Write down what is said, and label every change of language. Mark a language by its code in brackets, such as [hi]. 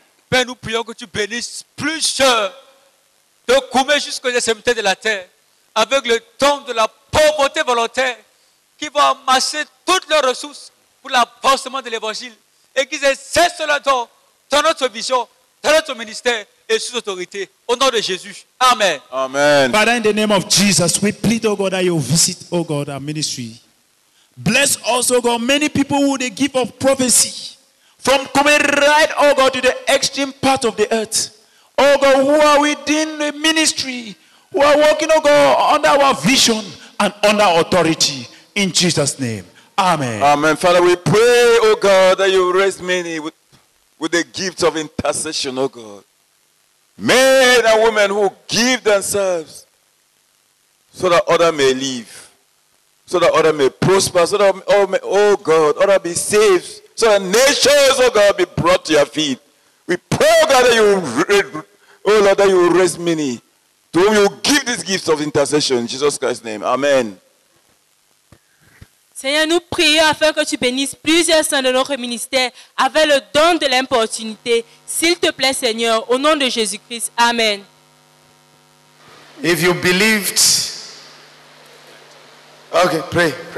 [fr] Père, nous prions que tu bénisses plus de Koumé jusqu'aux extrémités de la terre, avec le don de la pauvreté volontaire, qui vont amasser toutes leurs ressources pour l'avancement de l'Évangile, et qu'ils exercent leur don dans notre vision, dans notre ministère et sous autorité. Au nom de Jésus. Amen. Amen. [en] Father, in the name of Jesus, we plead, oh God, that you visit, oh God, our ministry. Bless us, oh God, many people who they give of prophecy from coming right, oh God, to the extreme part of the earth. Oh God, who are within the ministry, who are working, oh God, under our vision and under authority, in Jesus' name. Amen. Amen. Father, we pray, oh God, that you raise many with the gift of intercession, oh God. Men and women who give themselves so that others may live, so that others may prosper, so that, oh God, others be saved, so that nations, oh God, be brought to your feet. We pray, oh God, that you Oh Lord, that you will raise many to whom you will give these gifts of intercession in Jesus Christ's name. Amen. [fr] Seigneur, nous prions afin que tu bénisses plusieurs saints de notre ministère avec le don de l'importunité. S'il te plaît, Seigneur, au nom de Jésus-Christ. Amen. [en] If you believed. Okay, pray.